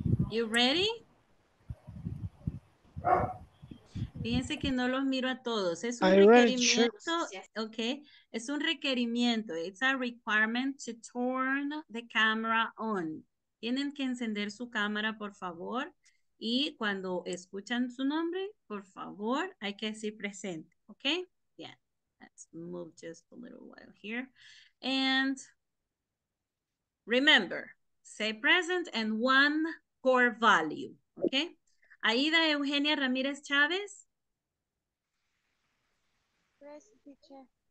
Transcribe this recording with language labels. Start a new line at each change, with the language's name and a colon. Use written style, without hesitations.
English: You ready?
Spanish: Fíjense que no los miro a todos. Es un requerimiento. Okay. Es un requerimiento.
English: It's a requirement to turn the camera on.
Spanish: Tienen que encender su cámara, por favor. Y cuando escuchan su nombre, por favor, hay que decir presente.
English: Okay? Yeah. Let's move just a little while here. And remember, say present and one core value, okay? Aida Eugenia Ramirez Chavez. Present, teacher.